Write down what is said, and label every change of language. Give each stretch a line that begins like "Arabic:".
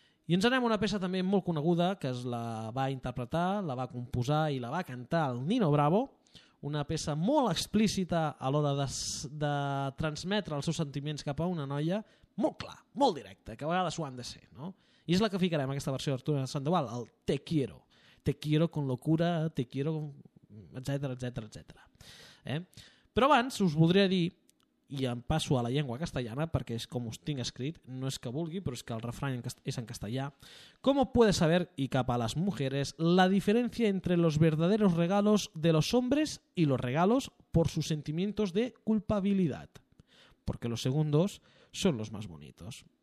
Catalan: I ens anem a una peça també molt coneguda, que es la va interpretar, la va composar i la va cantar el Nino Bravo, una peça molt explícita a l'hora de transmetre els seus sentiments cap a una noia, molt clar, molt directa, que a vegades ho han de ser, no? I és la que ficarem, aquesta versió d'Arturo Sandoval, el Te Quiero.
Spanish: Te quiero con locura, te quiero, etc.
Catalan: Però abans us voldria dir, i em passo a la llengua castellana, perquè és com us tinc escrit, no és que vulgui, però és que el refrany és en castellà, ¿cómo puede saber, y cap a les mujeres,
Spanish: la diferencia entre los verdaderos regalos de los hombres y los regalos por sus sentimientos de culpabilidad? Porque los segundos son los más bonitos.